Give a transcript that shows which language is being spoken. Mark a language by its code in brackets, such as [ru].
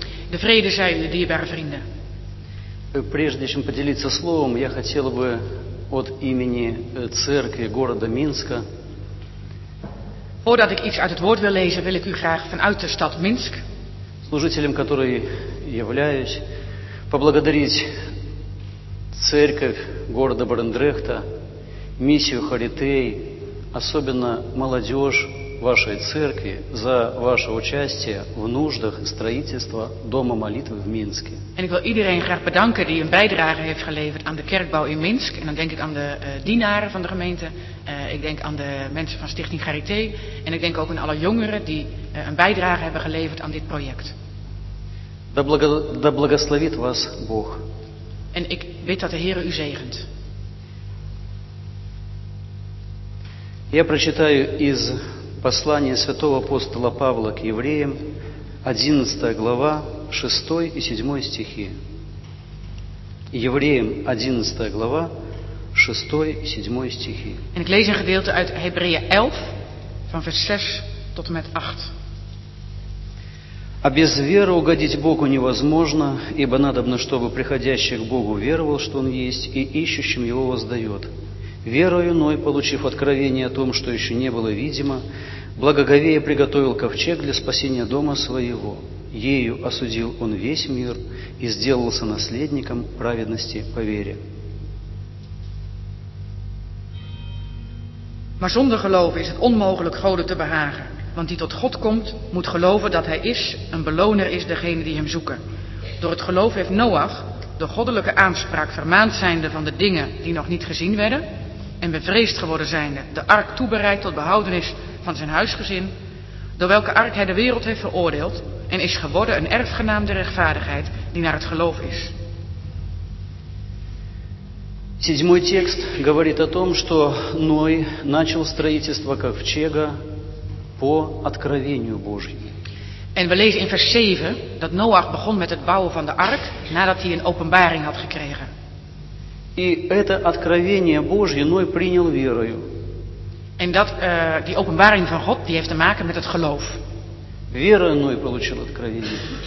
[nl] De vrede zij u, dierbare vrienden. [ru] Прежде чем поделиться словом, я хотел бы от имени церкви города Минска. [nl] Voordat ik iets uit het woord wil lezen, wil ik u graag vanuit de stad Minsk. [ru] Служителем, который являюсь, поблагодарить церковь города Барендрехта, миссию Харитей, особенно молодежь вашей церкви за ваше участие в нуждах строительства дома молитвы в Минске. [nl] En ik wil iedereen graag bedanken die een bijdrage heeft geleverd aan de kerkbouw in Minsk. En dan denk ik aan de dienaren van de gemeente. Ik denk aan de mensen van Stichting Charité. En ik denk ook aan alle jongeren die een bijdrage hebben geleverd aan dit project. [ru] Да благословит вас Бог. [nl] En ik bid dat de Heere u zegent. [ru] Я прочитаю из послания святого апостола Павла к евреям, 11 глава, 6 и 7 стихи. Евреям, 11 глава, 6 и 7 стихи. [nl] En ik lees een gedeelte uit Hebreeën 11, van vers 6 tot en met 8. [ru] А без веры угодить Богу невозможно, ибо надобно, чтобы приходящий к Богу веровал, что Он есть, и ищущим Его воздает. Верою Ной, получив откровение о том, что еще не было видимо, благоговея приготовил ковчег для спасения дома своего. Ею осудил он весь мир и сделался наследником праведности по вере. [nl] Maar zonder geloof is het onmogelijk Goden te behagen. Want die tot God komt, moet geloven dat hij is, een beloner is degene die hem zoeken. Door het geloof heeft Noach, de goddelijke aanspraak vermaand zijnde van de dingen die nog niet gezien werden, en bevreesd geworden zijnde, de ark toebereid tot behoudenis van zijn huisgezin, door welke ark hij de wereld heeft veroordeeld, en is geworden een erfgenaam der rechtvaardigheid die naar het geloof is. [ru] Седьмой текст говорит о том, что Ной начал строительство ковчега по откровению Божьему. [nl] En we lezen in vers 7 dat Noach begon met het bouwen van de ark nadat hij een openbaring had gekregen. [ru] И это откровение Божье Ной принял верою. [nl] En dat die openbaring van God, die heeft te maken met het geloof. [ru] Верою Ной получил откровение.